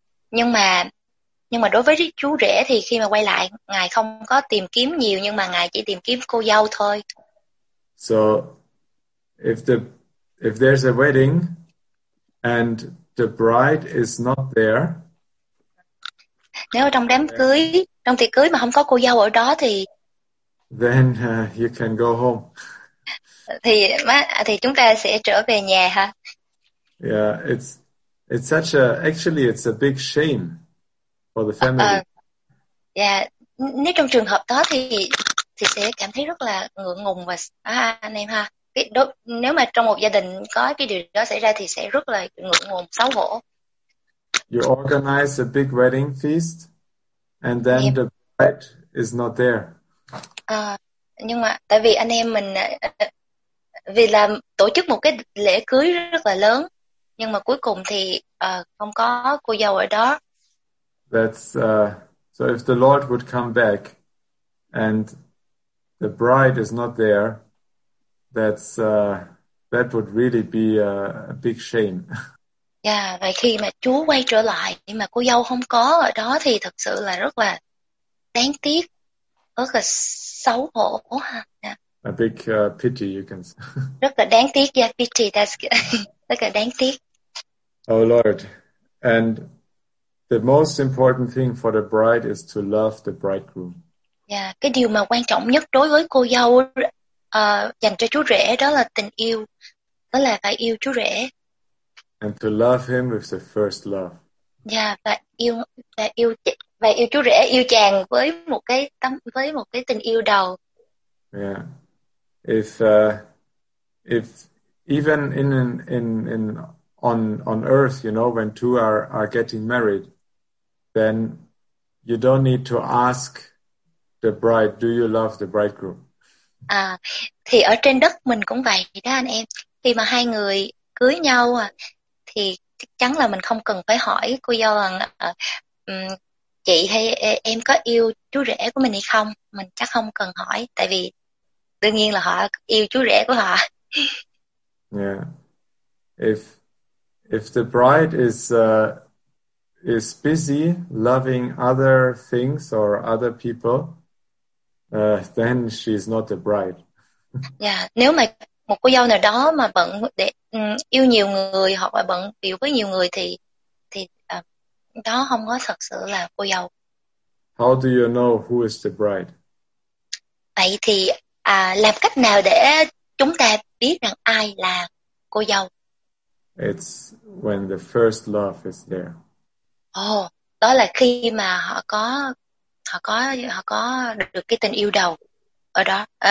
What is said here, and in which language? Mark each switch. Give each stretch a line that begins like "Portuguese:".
Vietnamese: Nhưng mà đối với chú rể thì khi mà quay lại Ngài không có tìm kiếm nhiều, nhưng mà Ngài chỉ tìm kiếm cô dâu thôi.
English: So if there's a wedding and the bride is not there,
Vietnamese: nếu ở trong đám cưới, trong tiệc cưới mà không có cô dâu ở đó thì
English: then you can go home.
Vietnamese: Thì chúng ta sẽ trở về nhà ha.
English: Yeah, it's such a, actually it's a big shame for the family.
Vietnamese: Yeah, nếu trong trường hợp đó thì sẽ cảm thấy rất là ngượng ngùng và anh em ha. Nếu mà trong một gia đình có cái điều đó xảy ra thì sẽ rất là ngượng ngùng, xấu hổ.
English: You organize a big wedding feast and then the bride is not there.
Vietnamese: Nhưng mà tại vì anh em mình vì làm tổ chức một cái lễ cưới rất là lớn, nhưng mà cuối cùng thì không có cô dâu ở đó.
English: That's so if the Lord would come back and the bride is not there, that would really be a big shame.
Vietnamese: Yeah, vậy khi mà Chúa quay trở lại nhưng mà cô dâu không có ở đó thì thật sự là rất là đáng tiếc, rất là xấu hổ ha.
English: A big pity, you can say.
Vietnamese: Rất là đáng tiếc, yeah,
English: pity, that's good.
Vietnamese: Rất là đáng tiếc.
English: Oh Lord, and the most important thing for the bride is to love the bridegroom.
Vietnamese: Yeah, cái điều mà quan trọng nhất đối với cô dâu dành cho chú rể đó là tình yêu, đó là phải yêu chú rể.
English: And to love him with the first love.
Vietnamese: Yeah, và yêu chú rể, yêu chàng với một cái tấm, với một cái tình yêu đầu.
English: Yeah, if even on earth, you know, when two are getting married, then you don't need to ask the bride, do you love the bridegroom?
Vietnamese: Thì ở trên đất mình cũng vậy đó anh em. Khi mà hai người cưới nhau thì chắc chắn là mình không cần phải hỏi cô dâu rằng chị hay em có yêu chú rể của mình hay không. Mình chắc không cần hỏi, tại vì đương nhiên là họ yêu chú rể của họ.
English: Yeah. If the bride is is busy loving other things or other people, then she's not a bride.
Vietnamese: Yeah, nếu mà một cô dâu nào đó mà bận để yêu nhiều người hoặc là bận yêu với nhiều người thì đó không có thật sự là cô dâu.
English: How do you know who is the bride?
Vietnamese: Vậy thì làm cách nào để chúng ta biết rằng ai là cô dâu?
English: It's when the first love is there.
Vietnamese: Oh, đó là khi mà họ có được cái tình yêu đầu ở đó.